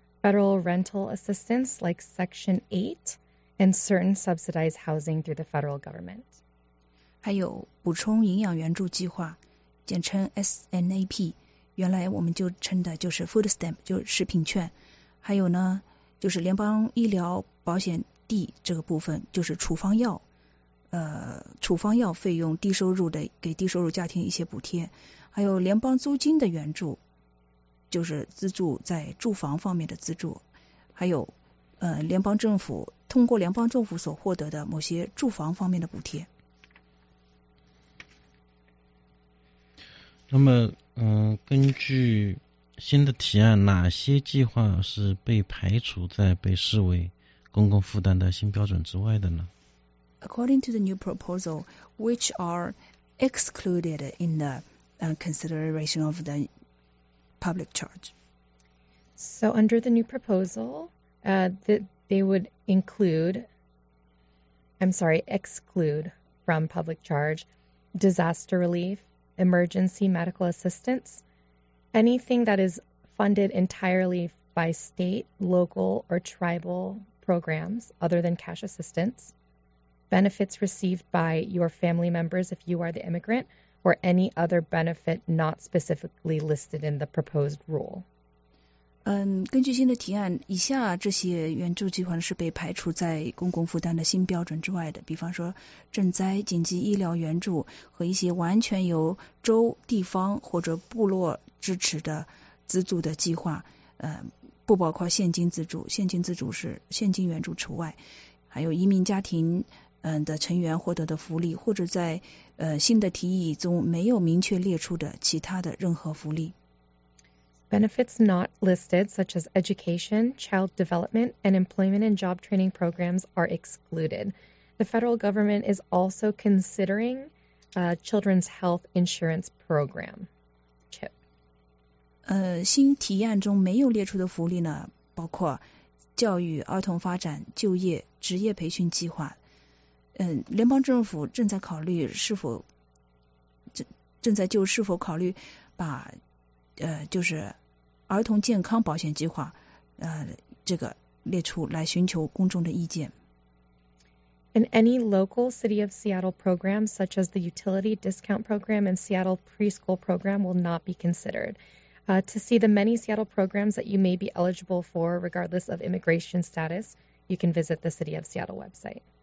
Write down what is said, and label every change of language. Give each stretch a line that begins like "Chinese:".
English: Federal rental assistance like Section 8 and certain subsidized housing through the federal government.
Chinese: 还有补充营养援助计划简称 SNAP 原来我们就称的就是
English: food stamp
Chinese: 就是食品券还有呢就是联邦医疗保险 D 这个部分就是处方药处方药费用低收入的给低收入家庭一些补贴还有联邦租金的援助就是资助在住房方面的资助还有联邦政府通过联邦政府所获得的某些住房方面的补贴那么根据新的提案哪些计划是被排除在被视为公共负担的新标准之外的呢
English: According to the new proposal which are excluded in the consideration of thepublic charge. So under the new proposal, they would exclude from public charge, disaster relief, emergency medical assistance, anything that is funded entirely by state, local, or tribal programs other than cash assistance, benefits received by your family members if you are the immigrant,or any other benefit not specifically listed in the proposed rule.
Chinese: 根据新的提案，以下这些援助计划是被排除在公共负担的新标准之外的，比方说赈灾、紧急医疗援助和一些完全由州、地方或者部落支持的资助的计划，不包括现金资助，现金资助是现金援助除外，还有移民家庭的成员获得的福利或者在新的提议中没有明确列出的其他的任何福利
English: Benefits not listed such as education, child development and employment and job training programs are excluded. The federal government is also considering Children's Health Insurance Program CHIP
Chinese: 新提案中没有列出的福利呢包括教育、儿童发展、就业、职业培训计划联邦政府正在考虑是否正在就是否考虑把就是儿童健康保险计划这个列出来寻求公众的意见。
English: In any local City of Seattle program, such as the Utility Discount Program and Seattle Preschool Program, will not be considered. To see the many Seattle programs that you may be eligible for, regardless of immigration status, you can visit the City of Seattle website.